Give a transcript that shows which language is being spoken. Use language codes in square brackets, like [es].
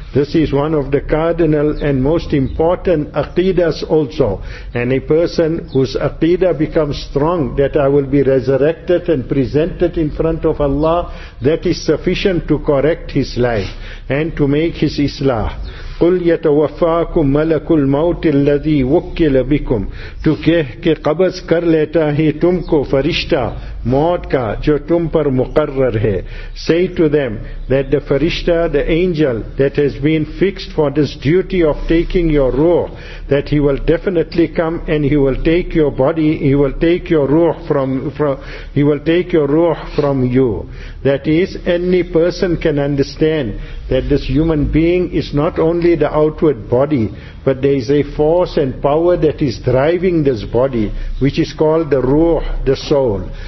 [en] This is one of the cardinal and most important aqidahs also. And a person whose aqidah becomes strong, that I will be resurrected and presented in front of Allah, that is sufficient to correct his life and to make his islah. [ar] قُلْ يَتَوَفَّاكُمْ مَلَكُ الْمَوْتِ الَّذِي وُكِّلَ بِكُمْ. [ur] تو کہہ کہ قبض کر لیتا ہے تم کو فرشتہ موت کا جو تم پر مقرر ہے. [en] Say to them that the فرشتہ, the angel that has been fixed for this duty of taking your ruh, that he will definitely come and he will take your body, he will take your ruh from you. That is, any person can understand that this human being is not only the outward body, but there is a force and power that is driving this body, which is called the ruh, the soul.